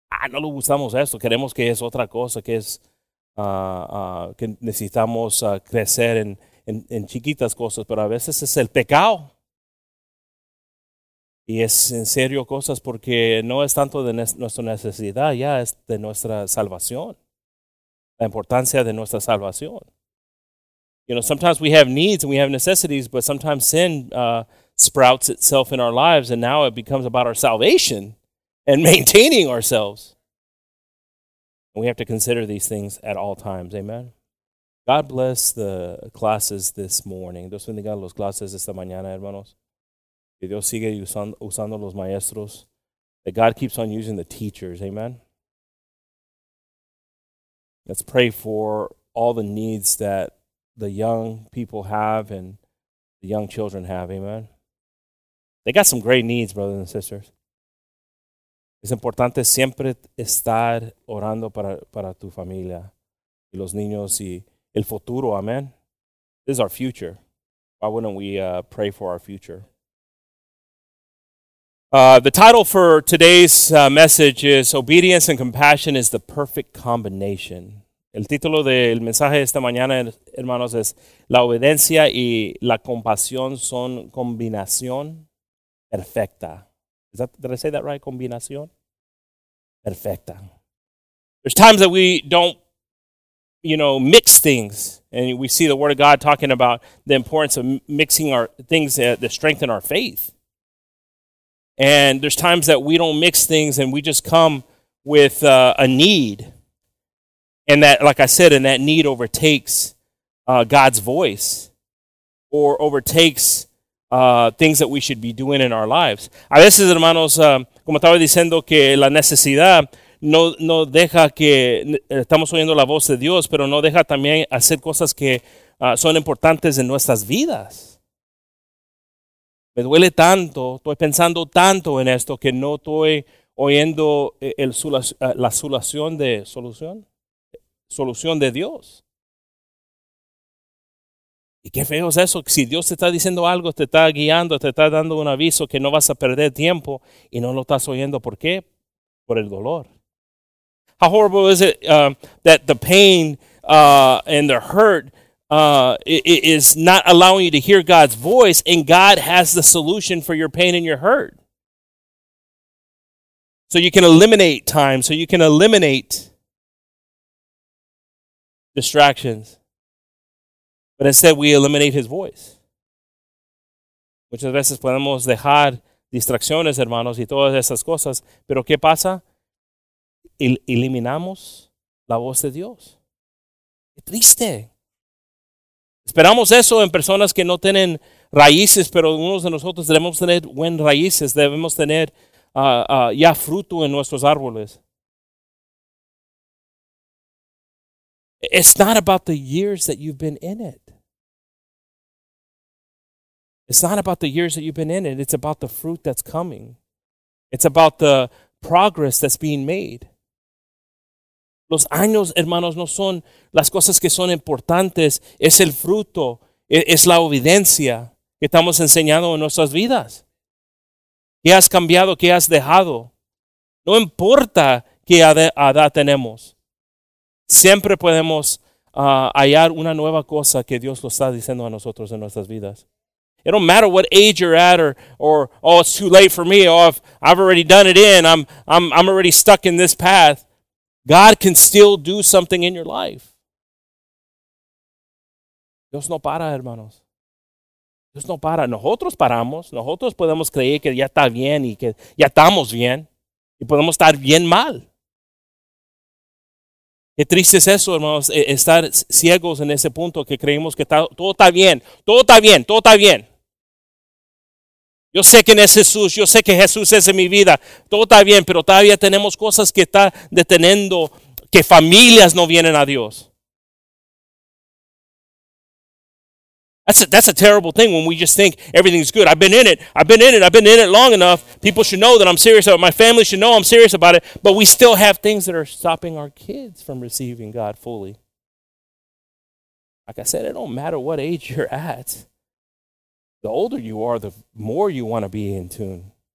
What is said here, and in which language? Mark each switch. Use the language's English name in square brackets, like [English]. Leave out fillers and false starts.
[Spanish] No lo gustamos esto, queremos que es otra cosa, que es que necesitamos crecer en chiquitas cosas, pero a veces es el pecado. Y es en serio cosas porque no es tanto de nuestra necesidad, ya es de nuestra salvación. La importancia de nuestra salvación. [English] You know, sometimes we have needs and we have necessities, but sometimes sin sprouts itself in our lives and now it becomes about our salvation and maintaining ourselves. We have to consider these things at all times. Amen. God bless the classes this morning. [Spanish] Dios bendiga los clases esta mañana, hermanos. Que Dios sigue usando los maestros. [English] That God keeps on using the teachers. Amen. Let's pray for all the needs that the young people have and the young children have. Amen. They got some great needs, brothers and sisters. [Spanish] Es importante siempre estar orando para tu familia y los niños y el futuro, amen. [English] This is our future. Why wouldn't we pray for our future? The title for today's message is Obedience and Compassion is the Perfect Combination. [Spanish] El título del mensaje de esta mañana, hermanos, es La obediencia y la compasión son combinación perfecta. [English] Did I say that right? [Spanish] Combinación? Perfecta. [English] There's times that we don't, you know, mix things. And we see the Word of God talking about the importance of mixing our things that strengthen our faith. And there's times that we don't mix things and we just come with a need. And that, like I said, and that need overtakes God's voice or overtakes things that we should be doing in our lives. [Spanish] A veces, hermanos, como estaba diciendo que la necesidad no deja que estamos oyendo la voz de Dios, pero no deja también hacer cosas que son importantes en nuestras vidas. Me duele tanto, estoy pensando tanto en esto que no estoy oyendo la solución de Dios. Y qué feo es eso, si Dios te está diciendo algo, te está guiando, te está dando un aviso que no vas a perder tiempo y no lo estás oyendo. ¿Por qué? Por el dolor. [English] How horrible is it that the pain and the hurt is not allowing you to hear God's voice, and God has the solution for your pain and your hurt. So you can eliminate time, so you can eliminate distractions. But instead, we eliminate his voice. [Spanish] Muchas veces podemos dejar distracciones, hermanos, y todas esas cosas. Pero ¿qué pasa? Eliminamos la voz de Dios. ¡Qué triste! Esperamos eso en personas que no tienen raíces, pero algunos de nosotros debemos tener buenas raíces, debemos tener ya fruto en nuestros árboles. [English] It's not about the years that you've been in it. It's not about the years that you've been in it. It's about the fruit that's coming. It's about the progress that's being made. [Spanish] Los años, hermanos, no son las cosas que son importantes. Es el fruto. Es la evidencia que estamos enseñando en nuestras vidas. ¿Qué has cambiado? ¿Qué has dejado? No importa qué edad tenemos. Siempre podemos hallar una nueva cosa que Dios lo está diciendo a nosotros en nuestras vidas. [English] It don't matter what age you're at, or oh, it's too late for me. Oh, I've already done it in. I'm already stuck in this path. God can still do something in your life. [Spanish] Dios no para, hermanos. Dios no para. Nosotros paramos. Nosotros podemos creer que ya está bien y que ya estamos bien. Y podemos estar bien mal. Qué triste es eso, hermanos, estar ciegos en ese punto que creemos que todo está bien. Todo está bien. Todo está bien. Yo sé quién es Jesús, yo sé que Jesús es en mi vida. Todo está bien, pero todavía tenemos cosas que están deteniendo, que familias no vienen a Dios. [English] That's a terrible thing when we just think everything's good. I've been in it. I've been in it. I've been in it long enough. People should know that I'm serious about it. My family should know I'm serious about it. But we still have things that are stopping our kids from receiving God fully. Like I said, it don't matter what age you're at. The older you are, the more you want to be in tune.